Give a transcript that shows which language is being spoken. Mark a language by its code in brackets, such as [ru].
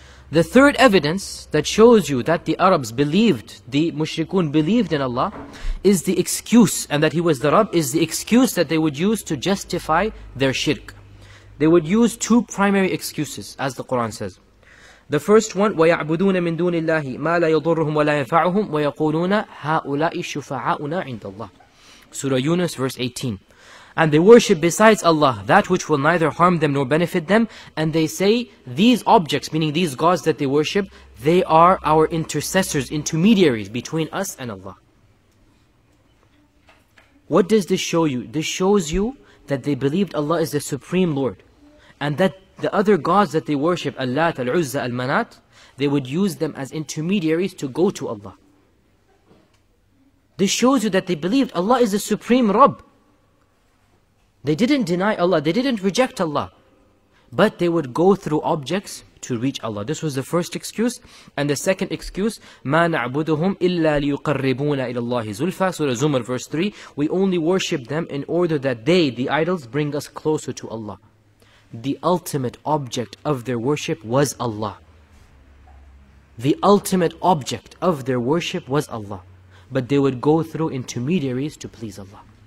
[en] The third evidence that shows you that the Arabs believed, the mushrikun believed in Allah, is the excuse, and that he was the Rabb, is the excuse that they would use to justify their shirk. They would use two primary excuses, as the Quran says. The first one, [ar] وَيَعْبُدُونَ مِن دُونِ اللَّهِ مَا لَا يَضُرُّهُمْ وَلَا يَنْفَعُهُمْ وَيَقُولُونَ هَؤُلَاءِ شُفَعَاؤُنَا عِنْدَ اللَّهِ. [en] Surah Yunus, verse 18. And they worship besides Allah that which will neither harm them nor benefit them. And they say, these objects, meaning these gods that they worship, they are our intercessors, intermediaries between us and Allah. What does this show you? This shows you that they believed Allah is the supreme Lord, and that the other gods that they worship, Allat, Al-Uzza, Al-Manat, they would use them as intermediaries to go to Allah. This shows you that they believed Allah is the supreme Rabb. They didn't deny Allah, they didn't reject Allah, but they would go through objects to reach Allah. This was the first excuse. And the second excuse, [ar] مَا نَعْبُدُهُمْ إِلَّا لِيُقَرِّبُونَ إِلَى اللَّهِ زُلْفَى. [en] Surah Zumar, verse 3. We only worship them in order that they, the idols, bring us closer to Allah. The ultimate object of their worship was Allah. The ultimate object of their worship was Allah. But they would go through intermediaries to please Allah.